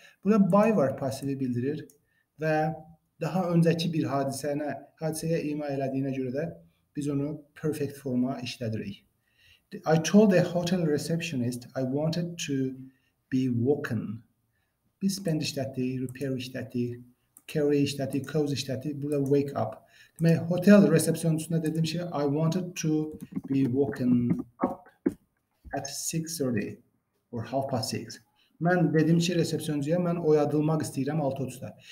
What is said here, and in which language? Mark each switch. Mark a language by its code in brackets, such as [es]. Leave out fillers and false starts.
[tr] Burada by var pasifi bildirir ve daha önceki bir hadiseye ima edildiğine göre de biz onu perfect forma işlediririk. [en] I told the hotel receptionist I wanted to be woken. [tr] Biz spend işlettik, repair işlettik, carry işlettik, close işlettik. Burada wake up. Demek hotel resepsiyonusunda dediğim şey [en] I wanted to be woken up at 6:30 or 6:30. [tr] Ben dediğim şey resepsiyoncuya ben uyandırılmak istiyorum 6:30'da.